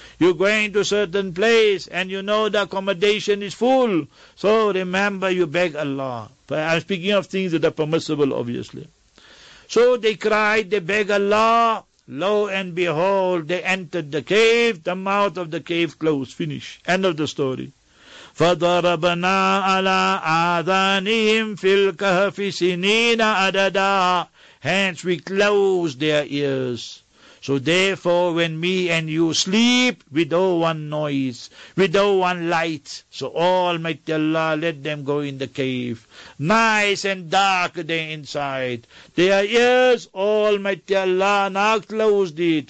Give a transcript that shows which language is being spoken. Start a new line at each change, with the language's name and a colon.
English: You're going to a certain place and you know the accommodation is full. So remember, you beg Allah. I'm speaking of things that are permissible, obviously. So they cried, they beg Allah. Lo and behold, they entered the cave. The mouth of the cave closed. Finish. End of the story.
Arabic: فَضَرَبْنَا عَلَىٰ آذَانِهِمْ فِي الْكَهْفِ سِنِينَ أَدَدًا
English: Hence we close their ears. So therefore when me and you sleep, we don't want noise, we don't want light. So Almighty Allah, let them go in the cave. Nice and dark there inside. Their ears, Almighty Allah, now closed it.